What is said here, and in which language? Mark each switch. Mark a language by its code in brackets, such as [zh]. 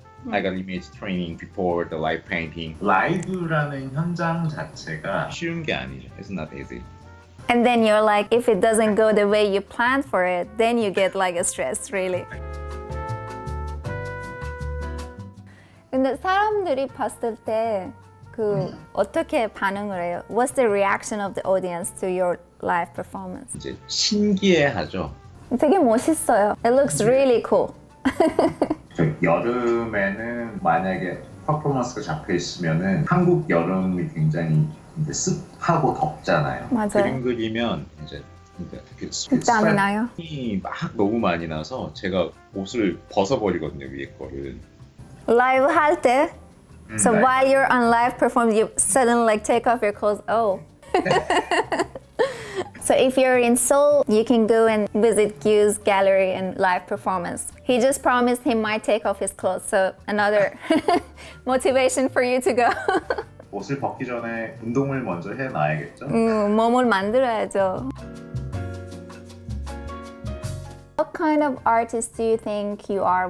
[en] I got image training before the live painting. [ko] 라이브라는 현장 자체가 쉬운 게 아니죠. [en] It's not easy. And then you're like, if it doesn't go the way you planned for it, then you get like a stress, really. [ko] 근데 사람들이 봤을 때 그 어떻게 반응을 해요? [en] What's the reaction of the audience to your live performance? [ko] 이제 신기해하죠. 되게 멋있어요. [en] It looks really cool. [ko] 여름에는 만약에 퍼포먼스가 잡혀 있으면은 한국 여름이 굉장히 이제 습하고 덥잖아요. 맞아요. 그림 그리면 이제 땀이 나요. 막 너무 많이 나서 제가 옷을 벗어 버리거든요, 위에 거를. 라이브 할 때. [en] So while you're on live performance, you suddenly like take off your clothes. Oh. So if you're in Seoul, you can go and visit Gyu's gallery and live performance. He just promised he might take off his clothes, so another motivation for you to go. [ko] 옷을 벗기 전에 운동을 먼저 해놔야겠죠? 몸을 만들어야죠. [en] What kind of artist do you think you are?